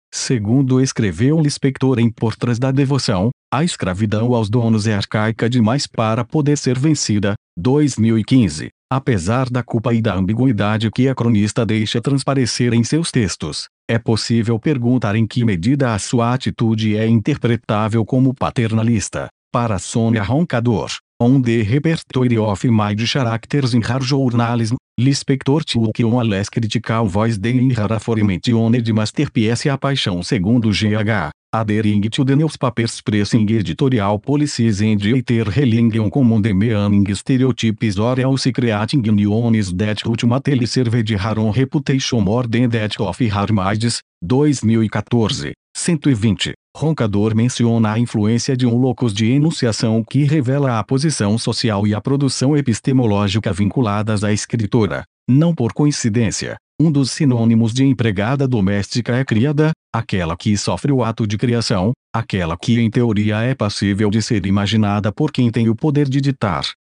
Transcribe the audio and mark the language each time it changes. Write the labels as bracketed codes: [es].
[pt] Segundo escreveu Lispector em Por Trás da Devoção, a escravidão aos donos é arcaica demais para poder ser vencida, 2015. Apesar da culpa e da ambiguidade que a cronista deixa transparecer em seus textos, é possível perguntar em que medida a sua atitude é interpretável como paternalista. [en] Para Sônia Roncador, On the Repertory of My Characters in Her Journalism, Lispector took on a less critical voice than her aforementioned masterpiece A Paixão segundo G.H., adhering to the newspaper's pressing editorial policies and greater relying on common demeaning stereotypes or else creating unions that ultimately served her own reputation more than that of her mates, 2014, 120. [pt] Roncador menciona a influência de um locus de enunciação que revela a posição social e a produção epistemológica vinculadas à escritora. Não por coincidência, um dos sinônimos de empregada doméstica é criada, aquela que sofre o ato de criação, aquela que em teoria é passível de ser imaginada por quem tem o poder de ditar.